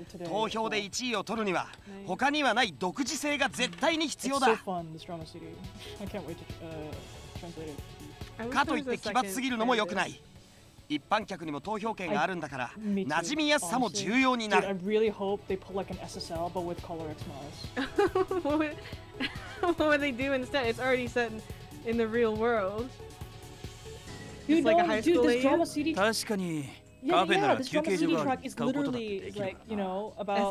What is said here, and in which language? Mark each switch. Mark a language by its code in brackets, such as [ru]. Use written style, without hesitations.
[ja] 投票で1位を取るには、他にはない独自性が絶対に必要だ。 [en] It's so fun, this drama CD. I can't wait to translate it. [ja] かといって奇抜すぎるのも良くない。一般客にも投票権があるんだから、馴染みやすさも重要になる。 [en] Dude, I really hope they put like an SSL but with color XMAS. What would they do instead? It's already set in the real world. Dude, like、 this drama CD. Yeah, yeah, yeah, this drama CD track is literally like, you know, about